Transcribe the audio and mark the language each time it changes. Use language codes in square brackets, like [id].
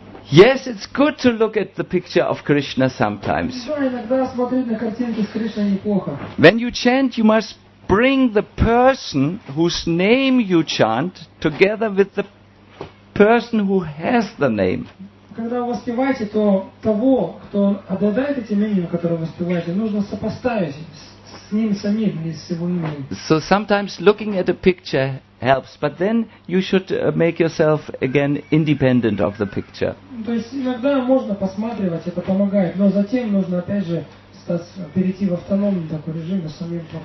[en] Yes, it's good to look at the picture of Krishna sometimes. When you chant, you must bring the person whose name you chant together with the person who has the name. [ru] Когда вы воспеваете, то того, кто обладает этим именем, которое вы воспеваете, нужно сопоставить с ним самим, не с его именем. [en] So sometimes looking at a picture helps, but then you should make yourself again independent of the picture. [ru] То есть иногда можно посматривать, это помогает, но затем нужно опять же перейти в автономный такой режим, самим.